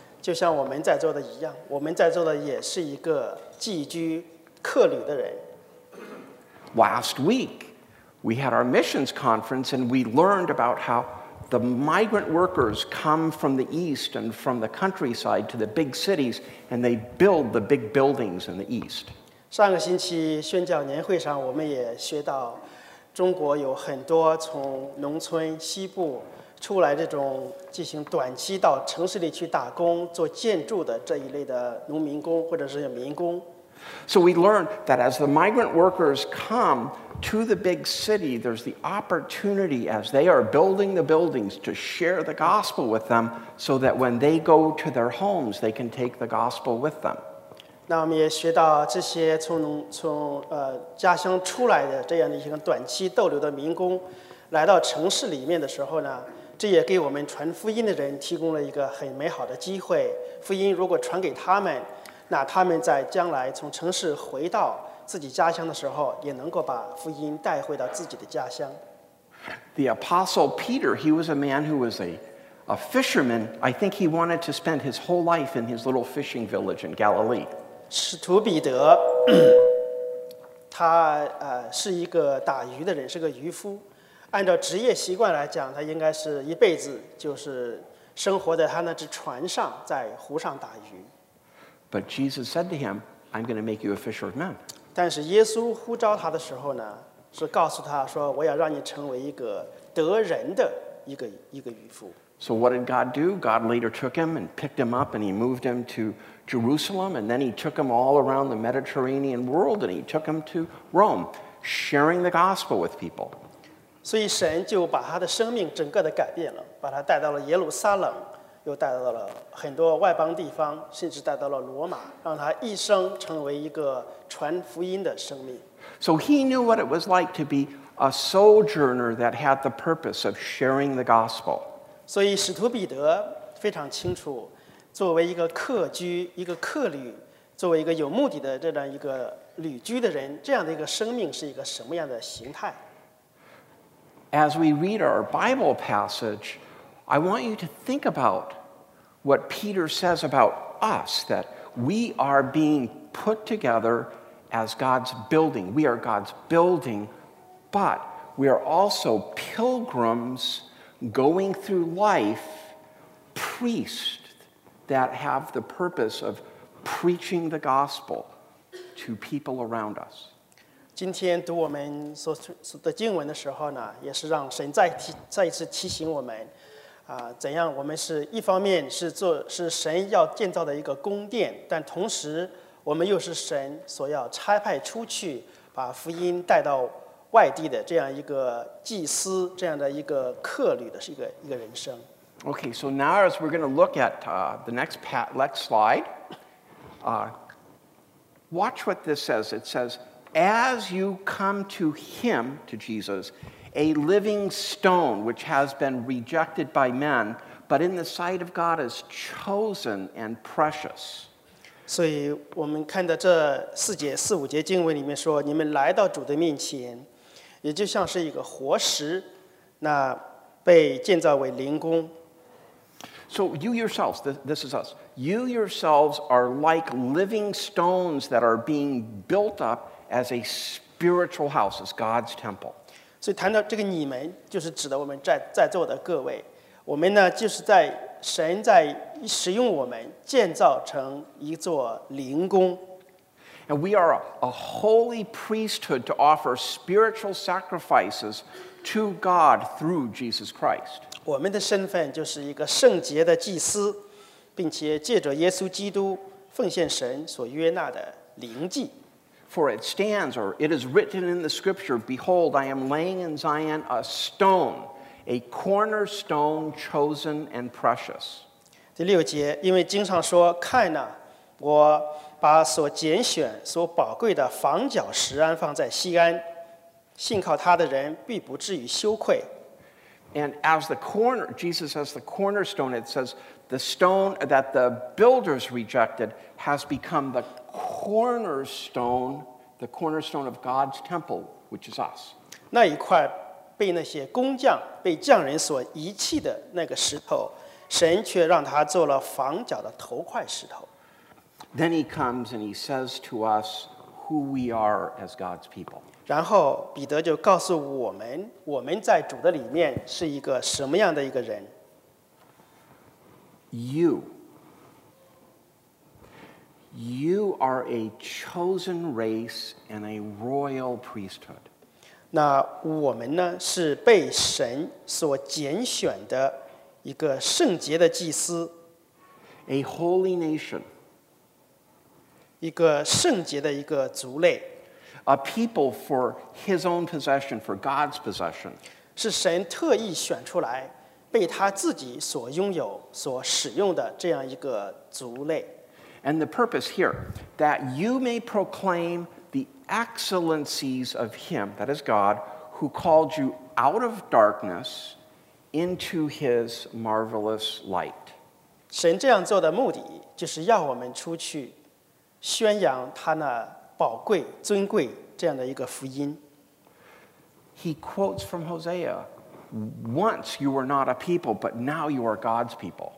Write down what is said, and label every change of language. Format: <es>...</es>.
<zh>就像我们在座的一样，我们在座的也是一个寄居客旅的人。</zh> <en>Last week. We had our missions conference, and we learned about how the migrant workers come from the east and from the countryside to the big cities, and they build the big buildings in the east.</en> <zh>上个星期宣教年会上，我们也学到中国有很多从农村西部出来这种进行短期到城市里去打工做建筑的这一类的农民工或者是民工。</zh> <en>So we learned that as the migrant workers come to the big city, there's the opportunity as they are building the buildings to share the gospel with them so that when they go to their homes, they can take the gospel with them.</en> <zh>那我们也学到这些从家乡出来的这样的一个短期逗留的民工来到城市里面的时候呢，这也给我们传福音的人提供了一个很美好的机会。福音如果传给他们，那他们在将来从城市回到自己家乡的时候，也能够把福音带回到自己的家乡。</zh> <en>The Apostle Peter, he was a man who was a fisherman. I think he wanted to spend his whole life in his little fishing village in Galilee.</en> <zh>使徒彼得，他是一个打鱼的人，是个渔夫。按照职业习惯来讲，他应该是一辈子就是生活在他那只船上，在湖上打鱼。</zh> <en>But Jesus said to him, I'm going to make you a fisher of men.</en> <zh>但是耶稣呼召他的时候呢，是告诉他说，我要让你成为一个得人的一个渔夫。</zh> <en>So what did God do? God later took him and picked him up and he moved him to Jerusalem, and then he took him all around the Mediterranean world and he took him to Rome, sharing the gospel with people.</en> <zh>所以神就把他的生命整个的改变了，把他带到了耶路撒冷，又带到了很多外邦地方，甚至带到了罗马，让他一生成为一个传福音的生命。</zh> <en>So he knew what it was like to be a sojourner that had the purpose of sharing the gospel.</en> <zh>所以使徒彼得非常清楚，作为一个客居，一个客旅，作为一个有目的的这样一个旅居的人，这样的一个生命是一个什么样的形态。</zh> <en>As we read our Bible passage, I want you to think about what Peter says about us, that we are being put together as God's building. We are God's building, but we are also pilgrims going through life, priests that have the purpose of preaching the gospel to people around us.</en> <zh>今天读我们所的经文的时候呢，也是让神再一次提醒我们，怎样我们是一方面是神要建造的一个宫殿，但同时我们又是神所要差派出去，把福音带到外地的这样一个祭司，这样的一个客旅的一个人生。</zh> <en>Okay, so now as we're going to look at the next slide, watch what this says. It says. As you come to him, to Jesus, a living stone which has been rejected by men, but in the sight of God is chosen and precious.</en> <zh>所以我们看到这四节四五节经文里面说，你们来到主的面前，也就像是一个活石，那被建造为灵宫。</zh> <en>So you yourselves, this is us, you yourselves are like living stones that are being built up. As a spiritual house, as God's temple.</en> <zh>所以谈到这个你们，就是指的我们在座的各位。我们呢，就是在神在使用我们，建造成一座灵宫。</zh> <en>And we are a holy priesthood to offer spiritual sacrifices to God through Jesus Christ.</en> <zh>我们的身份就是一个圣洁的祭司，并且借着耶稣基督奉献神所悦纳的灵祭。</zh> <en>For it stands, or it is written in the scripture, Behold, I am laying in Zion a stone, a cornerstone chosen and precious.</en> <zh>第六节，因为经上说，看哪，我把所拣选、所宝贵的房角石安放在锡安，信靠他的人必不至于羞愧。</zh> <en>And as the corner, Jesus as the cornerstone, it says, the stone that the builders rejected has become the cornerstone, the cornerstone of God's temple, which is us.</en> <zh>那一块被那些工匠、被匠人所遗弃的那个石头，神却让它做了房角的头块石头。</zh> <en>Then he comes and he says to us who we are as God's people.</en> <zh>然后彼得就告诉我们，我们在主的里面是一个什么样的一个人。</zh> <en>You are a chosen race and a royal priesthood.</en> <zh>那我们呢，是被神所拣选的一个圣洁的祭司。</zh> <en>A holy nation.</en> <zh>一个圣洁的一个族类。</zh> <en>A people for his own possession, for God's possession.</en> <zh>是神特意选出来。被他自己所拥有、所使用的这样一个族类。</zh> <en>And the purpose here, that you may proclaim the excellencies of him, that is God, who called you out of darkness into his marvelous light.</en> <zh>神这样做的目的，就是要我们出去宣扬他那宝贵、尊贵这样的一个福音。</zh> <en>He quotes from Hosea,Once you were not a people, but now you are God's people.</en>